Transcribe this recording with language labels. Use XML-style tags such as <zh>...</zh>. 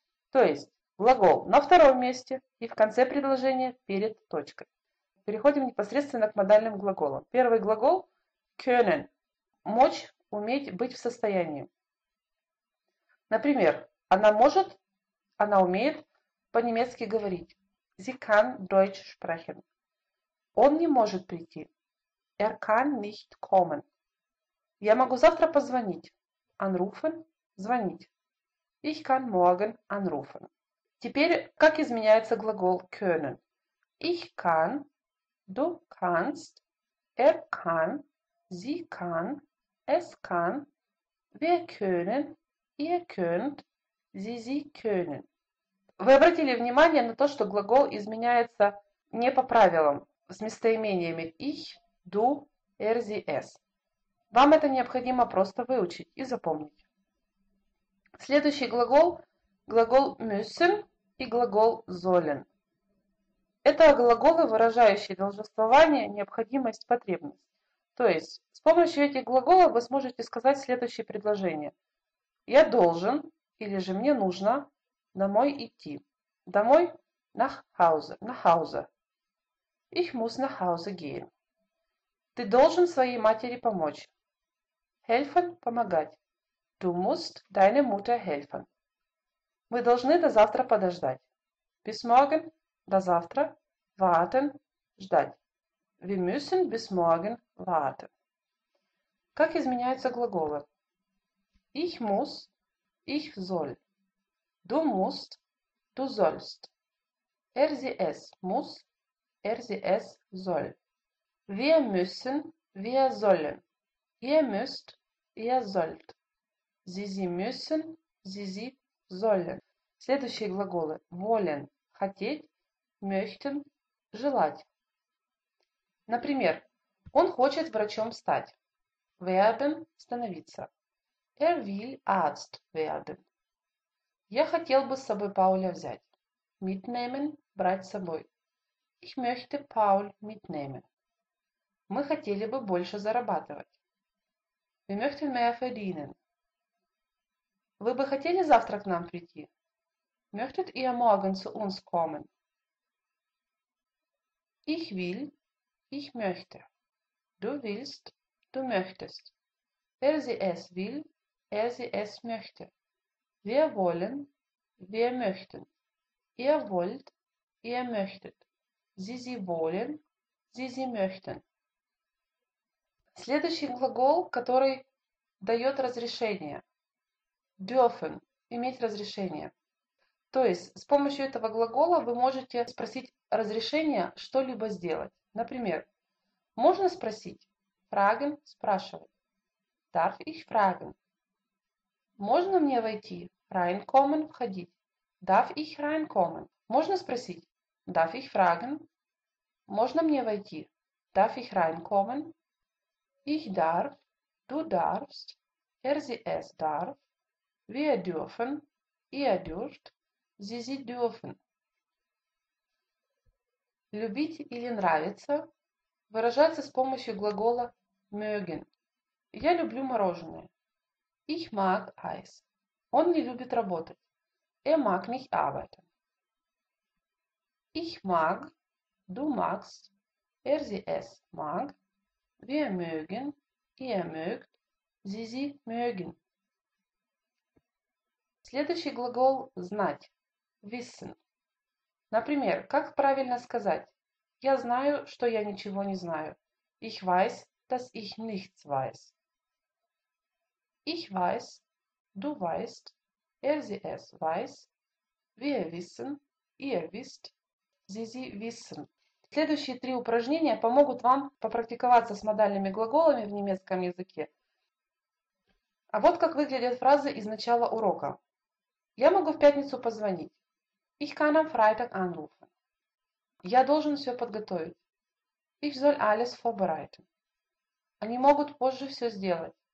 <ru>То есть глагол на втором месте и в конце предложения перед точкой. Переходим непосредственно к модальным глаголам. Первый глагол können. Мочь, уметь, быть в состоянии. Например, она может, она умеет по-немецки говорить.</ru> <de>Sie kann Deutsch sprechen.</de> <ru>Он не может прийти.</ru> <de>Er kann nicht kommen.</de> <ru>Я могу завтра позвонить. Anrufen, звонить.</ru> <de>Ich kann morgen anrufen.</de> <ru>Теперь, как изменяется глагол können?</ru> <de>Ich kann, du kannst, er kann, sie kann, es kann, wir können. Ihr könnt, sie, sie können.</de> <ru>Вы обратили внимание на то, что глагол изменяется не по правилам, с местоимениями ich, du, er, sie, es. Вам это необходимо просто выучить и запомнить. Следующий глагол – глагол müssen и глагол sollen. Это глаголы, выражающие должествование, необходимость, потребность. То есть с помощью этих глаголов вы сможете сказать следующее предложение. Я должен или же мне нужно домой идти.</ru> <de>Домой – nach Hause, nach Hause. Ich muss nach Hause gehen.</de> <ru>Ты должен своей матери помочь. Helfen – помогать.</ru> <de>Du musst deine Mutter helfen.</de> <ru>Мы должны до завтра подождать.</ru> <de>Bis morgen</de> <ru>– до завтра.</ru> <de>Warten – ждать. Wir müssen bis morgen warten.</de> <ru>Как изменяются глаголы?</ru> <de>Ich muss, ich soll. Du musst, du sollst. Er, sie, es muss, er, sie, es soll. Wir müssen, wir sollen. Ihr müsst, ihr sollt. Sie, sie müssen, sie, sie sollen.</de> <ru>Следующие глаголы. Wollen – хотеть, möchten – желать. Например, он хочет врачом стать. Werden – становиться.</ru> <de>Er will Arzt werden.</de> <ru>Я хотел бы с собой Пауля взять. Mitnehmen – брать с собой.</ru> <de>Ich möchte Paul mitnehmen.</de> <ru>Мы хотели бы больше зарабатывать.</ru> <de>Wir möchten mehr verdienen.</de> <ru>Вы бы хотели завтра к нам прийти?</ru> <de>Möchtet ihr morgen zu uns kommen? Ich will – ich möchte. Du willst – du möchtest. Wer sie es will – er, sie, es möchte. Wir wollen, wir möchten. Ihr wollt, ihr möchtet. Sie, sie wollen, sie, sie möchten.</de> <ru>Следующий глагол, который дает разрешение. Dürfen – иметь разрешение. То есть, с помощью этого глагола вы можете спросить разрешение что-либо сделать. Например, можно спросить? Fragen – спрашивать.</ru> <de>Darf ich fragen?</de> <ru>Можно мне войти? Reinkommen – входить.</ru> <de>Darf ich reinkommen?</de> <ru>Можно спросить?</ru> <de>Darf ich fragen?</de> <ru>Можно мне войти?</ru> <de>Darf ich reinkommen? Ich darf, du darfst, er, sie, es darf, wir dürfen, ihr dürft, sie dürfen.</de> <ru>Любить или нравиться выражается с помощью глагола mögen. Я люблю мороженое.</ru> <de>Ich mag Eis.</de> <ru>Он не любит работать.</ru> <de>Er mag nicht arbeiten. Ich mag, du magst, er, sie, es mag, wir mögen, ihr mögt, sie mögen.</de> <ru>Следующий глагол знать, wissen. Например, как правильно сказать? Я знаю, что я ничего не знаю.</ru> <de>Ich weiß, dass ich nichts weiß. Ich weiß, du weißt, er, sie, es weiß, wir wissen, ihr wisst, sie wissen.</de> <ru>Следующие три упражнения помогут вам попрактиковаться с модальными глаголами в немецком языке. А вот как выглядят фразы из начала урока. Я могу в пятницу позвонить.</ru> <de>Ich kann am Freitag anrufen.</de> <ru>Я должен все подготовить.</ru> <de>Ich soll alles vorbereiten.</de> <ru>Они могут позже все сделать.</ru>